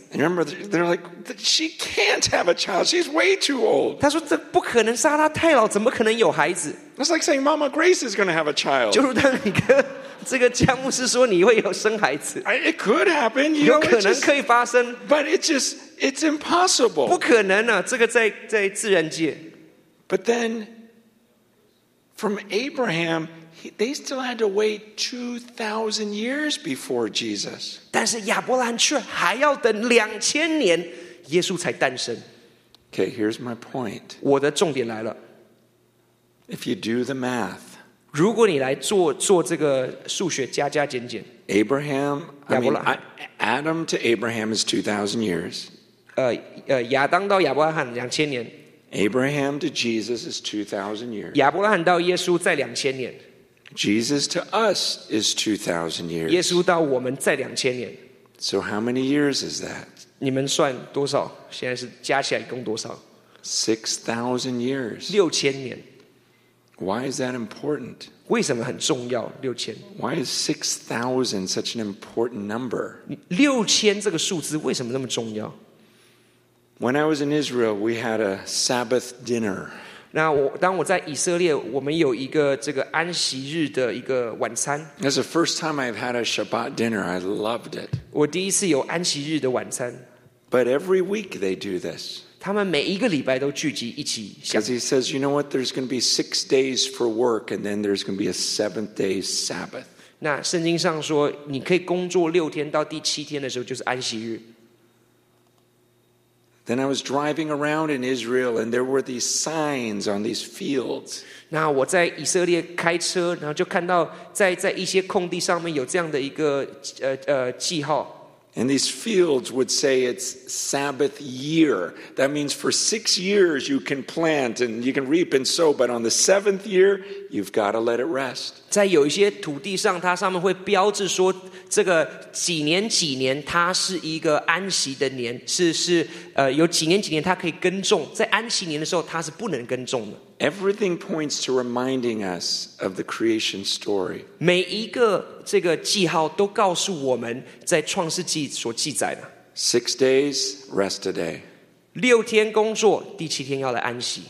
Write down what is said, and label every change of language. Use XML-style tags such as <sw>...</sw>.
<en>And remember, they're like, she can't have a child. She's way too old.</en> <zh>他说这不可能，撒拉太老，怎么可能有孩子？</zh> <en>It's like saying Mama Grace is going to have a child.</en> <zh>就如当你跟这个姜牧师说你会有生孩子。</zh> <en>It could happen. You know,</en> <zh>有可能可以发生。</zh> <en>But it's impossible.</en> <zh>不可能啊，这个在自然界。</zh> <en>But then,From Abraham, they still had to wait 2,000 years before Jesus.</en> <zh>但是亚伯兰却还要等2000年耶稣才诞生。</zh> <en>Okay, here's my point.</en> <zh>我的重点来了。</zh> <en>If you do the math,</en> <zh>如果你来做这个数学加加减减。</zh> <en>Abraham, Adam to Abraham is 2,000 years.</en> <zh>亚当到亚伯兰2000年。</zh> <en>Abraham to Jesus is 2,000 years.</en> <zh>亚伯拉罕到耶稣再2,000年。</zh> <en>Jesus to us is 2,000 years.</en> <zh>耶稣到我们再2,000年。</zh> <en>So how many years is that?</en> <zh>你们算多少？现在是加起来共多少？</zh> <en>6,000 years.</en> <zh>6,000年。</zh> <en>Why is that important?</en> <zh>为什么很重要？6,000。</zh> <en>Why is 6,000 such an important number?</en> <zh>6,000这个数字为什么那么重要？</zh> <en>When I was in Israel, we had a Sabbath dinner.</en> <zh>那我当我在以色列，我们有一个这个安息日的一个晚餐。</zh> <en>That's the first time I've had a Shabbat dinner. I loved it.</en> <zh>我第一次有安息日的晚餐。</zh> <en>But every week they do this.</en> <zh>他们每一个礼拜都聚集一起。</zh> <en>Because he says, you know what? There's going to be 6 days for work, and then there's going to be a 7th day Sabbath.</en> <zh>那圣经上说，你可以工作六天，到第七天的时候就是安息日。</zh> <en>Then I was driving around in Israel, and there were these signs on these fields.</en> <zh>那我在以色列开车，然后就看到在一些空地上面有这样的一个记号。</zh> <en>And these fields would say it's Sabbath year. That means for 6 years you can plant and you can reap and sow, but on the 7th year you've got to let it rest.</en> <zh>在有一些土地上，它上面会标志说这个几年几年它是一个安息的年，是有几年几年它可以耕种，在安息年的时候它是不能耕种的。</zh> <en>Everything points to reminding us of the creation story.</en> <zh>每一个这个记号都告诉我们在创世纪所记载的。</zh> <en>6 days, rest a day.</en> <zh>6天工作，第七天要来安息。</zh>